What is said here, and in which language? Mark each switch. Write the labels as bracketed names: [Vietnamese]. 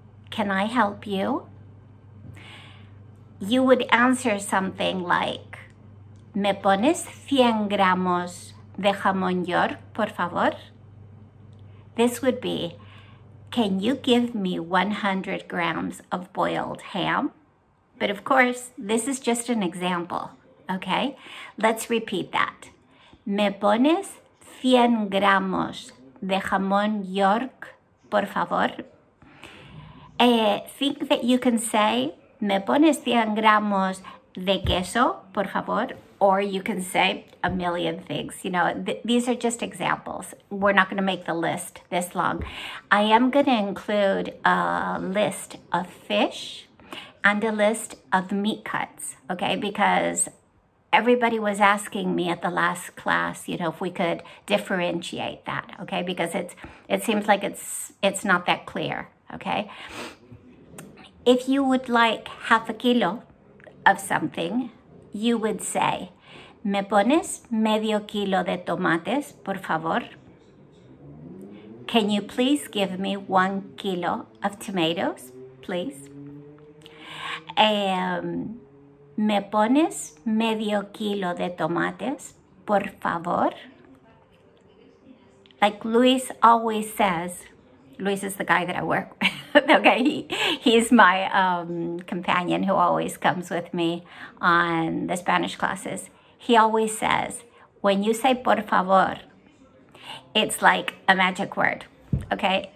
[English] Can I help you? You would answer something like, [Spanish] ¿me pones 100 gramos de jamón york, por favor? [English] This would be, can you give me 100 grams of boiled ham? But of course, this is just an example, okay? Let's repeat that. [Spanish] ¿Me pones 100 gramos de jamón york, por favor? [English] Think that you can say, [Spanish] ¿me pones 100 gramos de queso, por favor? [English] Or you can say a million things. You know, these are just examples. We're not gonna make the list this long. I am gonna include a list of fish and a list of meat cuts, okay? Because everybody was asking me at the last class, you know, if we could differentiate that, okay? Because it seems like it's not that clear, okay? If you would like half a kilo of something, you would say, [Spanish] ¿me pones medio kilo de tomates, por favor? [English] Can you please give me 1 kilo of tomatoes, please? [Spanish] ¿Me pones medio kilo de tomates, por favor? [English] Like Luis always says, Luis is the guy that I work with, okay? He's my companion who always comes with me on the Spanish classes. He always says, when you say [Spanish] por favor, [English] it's like a magic word, okay?